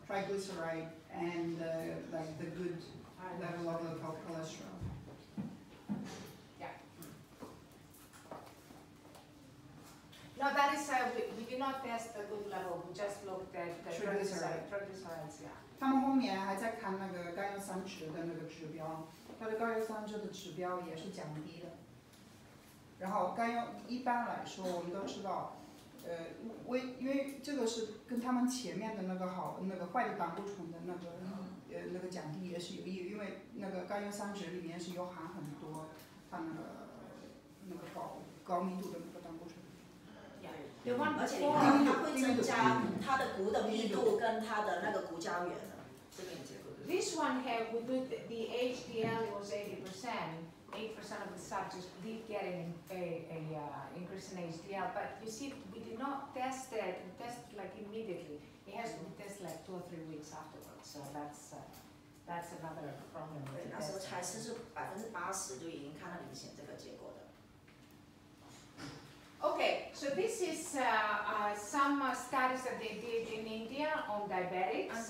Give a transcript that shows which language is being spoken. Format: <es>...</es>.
<en>Triglyceride and like the good level of the cholesterol. No, that is, we did not test the good level, we just looked at the triglycerides, yeah.</en> <zh>他们后面还在看那个甘油三酯的那个指标，他的甘油三酯的指标也是降低的。然后甘油一般来说我们都知道，因为这个是跟他们前面的那个好那个坏的胆固醇的那个那个降低也是有益，因为那个甘油三酯里面是有含很多它那个高密度的那个胆固醇。而且你看，它会增加它的骨的密度跟它的那个骨胶原。</zh> <en>This one here, we did the HDL was 80%, 80% of the subjects did get an increase in HDL. But you see, we did not test it. We tested like immediately. It has to be tested like 2 or 3 weeks afterwards. So that's another problem.</en> <zh>对，那时候才80%就已经看到明显这个结果的。</zh> <en>Okay, so this is some studies that they did in India on diabetics.</en>